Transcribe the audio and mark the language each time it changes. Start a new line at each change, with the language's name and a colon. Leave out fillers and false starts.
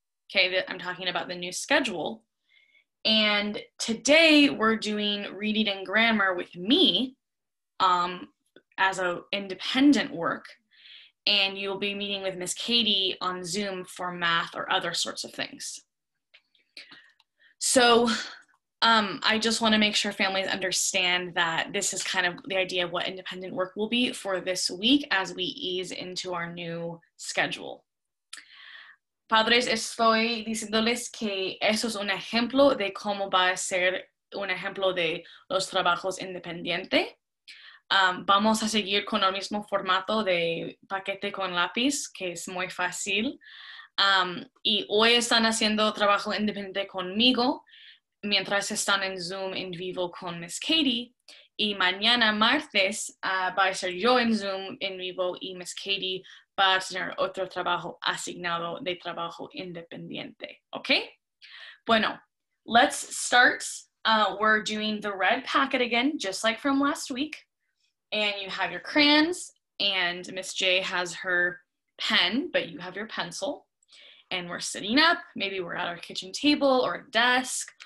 English: Okay, I'm talking about the new schedule. And today we're doing reading and grammar with me as an independent work, and you'll be meeting with Miss Katie on Zoom for math or other sorts of things. So I just want to make sure families understand that this is kind of the idea of what independent work will be for this week as we ease into our new schedule.
Spanish: Padres, estoy diciéndoles que eso es un ejemplo de cómo va a ser un ejemplo de los trabajos independiente. Vamos a seguir con el mismo formato de paquete con lápiz, que es muy fácil. Y hoy están haciendo trabajo independiente conmigo, mientras están en Zoom en vivo con Miss Katie. Y mañana, martes, va a ser yo en Zoom en vivo y Miss Katie va a tener otro trabajo asignado de trabajo independiente.
English: Okay? Bueno, let's start. We're doing the red packet again, just like from last week. And you have your crayons, and Miss J has her pen, but you have your pencil. And we're sitting up. Maybe we're at our kitchen table or a desk.